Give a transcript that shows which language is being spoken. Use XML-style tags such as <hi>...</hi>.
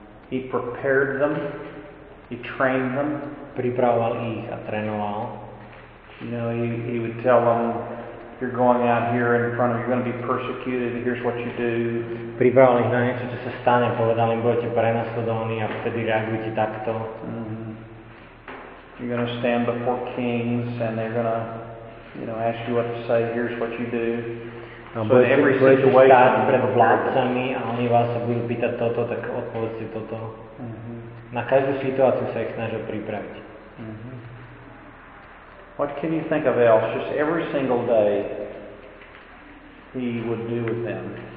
<en>He prepared them, he trained them.</en> <sk>Pripravoval ich a trénoval.</sk> <en>You know, he would tell them, you're going out here in front of, you're going to be persecuted, here's what you do.</en> <sk>Pripravoval ich na niečo, čo sa stane, povedal im, budete prenasledovaní a vtedy reagujte takto.</sk> <en>You're going to stand before kings and they're going to, you know, ask you what to say, here's what you do.</en> <sk>A so budete stáť pred vládcami a oni vás sa budú pýtať toto, tak odpovedzte toto. Mm-hmm. Na každú situáciu sa ich snažil pripraviť. Mm-hmm.</sk> <en>What can you think of else? Just every single day he would do with them.</en>